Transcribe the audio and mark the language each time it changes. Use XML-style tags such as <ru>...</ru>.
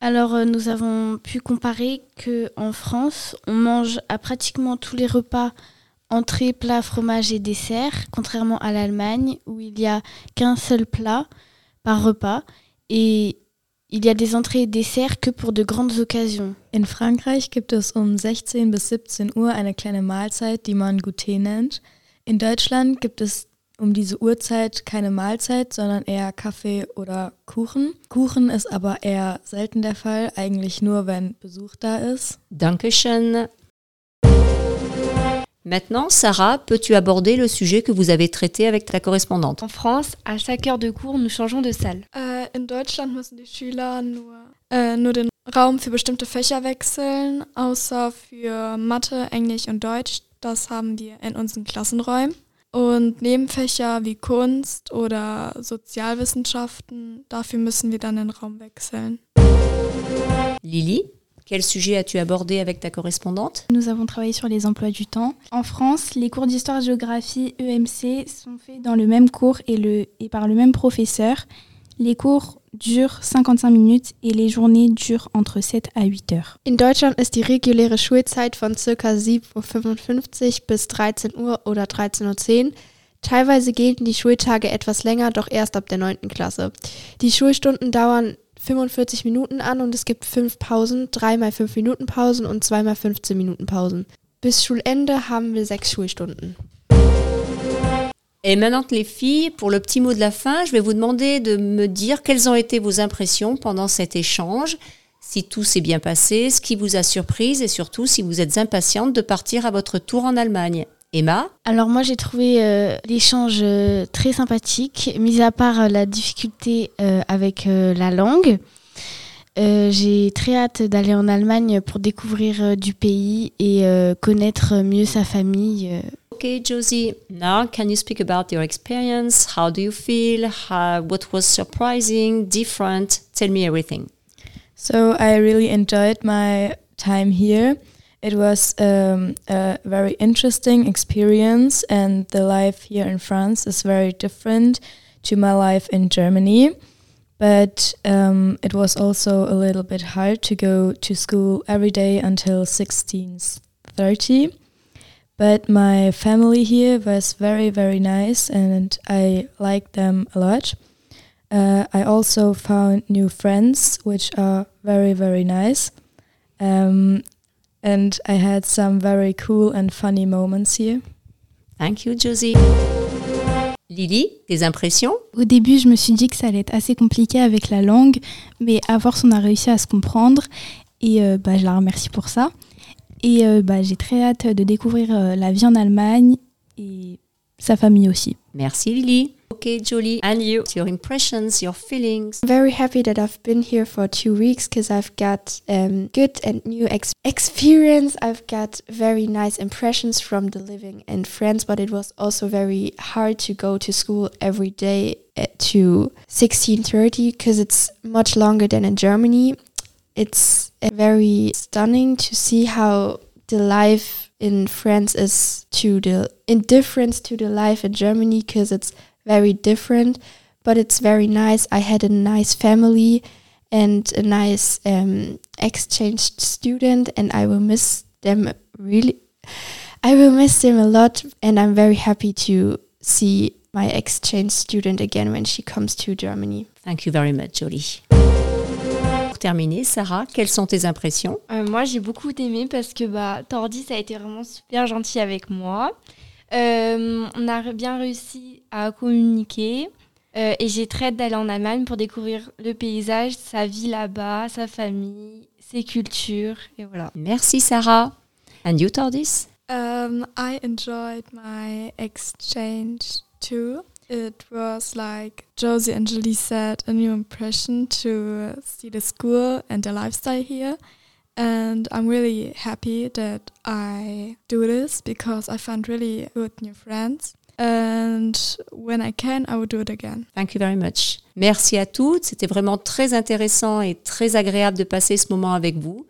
<fr>Alors, nous avons pu comparer qu'en France, on mange à pratiquement tous les repas entrée, plat, fromage et dessert, contrairement à l'Allemagne, où il n'y a qu'un seul plat par repas. Et il y a des entrées et desserts que pour de grandes occasions.</fr> <de>In Frankreich gibt es 16 bis 17 Uhr eine kleine Mahlzeit, die man Goûter nennt. In Deutschland gibt es diese Uhrzeit keine Mahlzeit, sondern eher Kaffee oder Kuchen. Kuchen ist aber eher selten der Fall, eigentlich nur wenn Besuch da ist. Dankeschön.</de> <fr>Maintenant, Sarah, peux-tu aborder le sujet que vous avez traité avec ta correspondante ? En France, à chaque heure de cours, nous changeons de salle.</fr> <de>In Deutschland müssen die Schüler nur den Raum für bestimmte Fächer wechseln, außer für Mathe, Englisch und Deutsch. Das haben wir in unseren Klassenräumen. Und Nebenfächer wie Kunst oder Sozialwissenschaften, dafür müssen wir dann den Raum wechseln.</de> <fr>Lily ? Quel sujet as-tu abordé avec ta correspondante ? Nous avons travaillé sur les emplois du temps. En France, les cours d'histoire-géographie EMC sont faits dans le même cours et par le même professeur. Les cours durent 55 minutes et les journées durent entre 7 à 8 heures.</fr> <de>In Deutschland ist die reguläre Schulzeit von ca. 7:55 bis 13 Uhr oder 13:10 Uhr. Teilweise gelten die Schultage etwas länger, doch erst ab der 9. Klasse. Die Schulstunden dauern 45 Minuten an und es gibt 5 Pausen, 3x 5 Minuten Pausen und 2x 15 Minuten Pausen. Bis Schulende haben wir 6 Schulstunden.</de> <fr>Et maintenant les filles, pour le petit mot de la fin, je vais vous demander de me dire quelles ont été vos impressions pendant cet échange, si tout s'est bien passé, ce qui vous a surprise et surtout si vous êtes impatientes de partir à votre tour en Allemagne. Emma ? Alors moi j'ai trouvé l'échange très sympathique, mis à part la difficulté avec la langue. J'ai très hâte d'aller en Allemagne pour découvrir du pays et connaître mieux sa famille.</fr> <en>Ok Josie, now can you speak about your experience? How do you feel? What was surprising, different? Tell me everything. So I really enjoyed my time here. It was a very interesting experience and the life here in France is very different to my life in Germany. But it was also a little bit hard to go to school every day until 16:30. But my family here was very, very nice and I liked them a lot. I also found new friends, which are very, very nice. And I had some very cool and funny moments here. Thank you, Josie.</en> <fr>Lily, tes impressions ? Au début, je me suis dit que ça allait être assez compliqué avec la langue, mais à force, on a réussi à se comprendre. Et je la remercie pour ça. Et j'ai très hâte de découvrir la vie en Allemagne et sa famille aussi. Merci, Lily.</fr> <en>Okay, Julie, and you, your impressions, your feelings. I'm very happy that I've been here for 2 weeks because I've got good and new experience. I've got very nice impressions from the living and friends, but it was also very hard to go to school every day to 16:30 because it's much longer than in Germany. it's very stunning to see how the life in France is to the in difference to the life in Germany, because it's very different, but it's very nice. I had a nice family and a nice exchange student, and I will miss them really. I will miss them a lot, and I'm very happy to see my exchange student again when she comes to Germany. Thank you very much,</en> <fr>Jolie. Pour terminer, Sarah, quelles sont tes impressions? Moi, j'ai beaucoup aimé parce que Tordi, ça a été vraiment super gentil avec moi. On a bien réussi à communiquer et j'ai très hâte d'aller en Allemagne pour découvrir le paysage, sa vie là-bas, sa famille, ses cultures, et voilà. Merci,</fr> <en>Sarah. And you, Tordis? I enjoyed my exchange too. It was like Josie and Julie said, a new impression to see the school and the lifestyle here. And I'm really happy that I do this because I found really good new friends. And when I can, I will do it again. Thank you very much.</en> <fr>Merci à toutes. C'était vraiment très intéressant et très agréable de passer ce moment avec vous.</fr>